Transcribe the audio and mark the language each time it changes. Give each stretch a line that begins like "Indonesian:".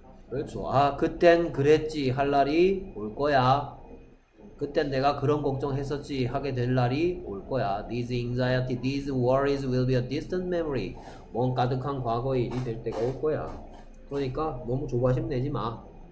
Korean: 그렇죠. 아, 그땐 그랬지. 할 날이 올 거야. 그때 내가 그런 걱정했었지 하게 될 날이 올 거야.
English: These anxiety, these worries will be a distant memory.
Korean: 멍 가득한 과거의 일이 될 때가 올 거야. 그러니까 너무 조바심 내지 마.